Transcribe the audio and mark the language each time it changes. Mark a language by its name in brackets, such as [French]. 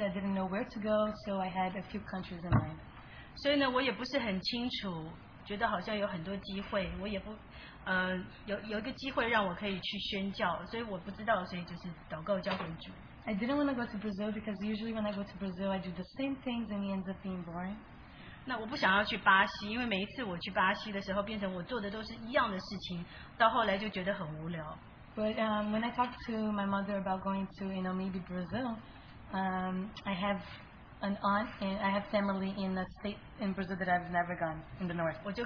[English] I didn't know where to go, so I had a few countries in mind. [Chinese] 所以呢，我也不是很清楚，觉得好像有很多机会，我也不。有一个机会让我可以去宣教，所以我不知道，所以就是祷告交给主。 [English] I didn't want to go to Brazil because usually when I go to Brazil, I do the same things and it ends up being boring. [Chinese] 那我不想要去巴西，因为每一次我去巴西的时候，变成我做的都是一样的事情，到后来就觉得很无聊。 [English] But when I talked to my mother about going to, you know, maybe Brazil, I have an aunt and I have family in a state in Brazil that I've never gone in the north.